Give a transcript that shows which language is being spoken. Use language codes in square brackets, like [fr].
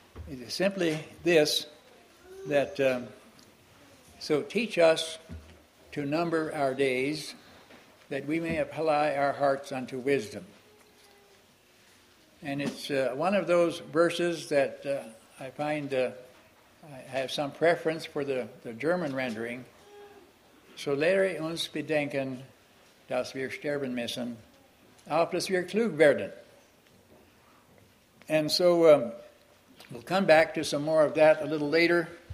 [en] It is simply this, that so teach us to number our days, that we may apply our hearts unto wisdom. And it's one of those verses that I find I have some preference for the German rendering. [de] So lehre uns bedenken, dass wir sterben müssen, auf dass wir klug werden. [en] And so we'll come back to some more of that a little later.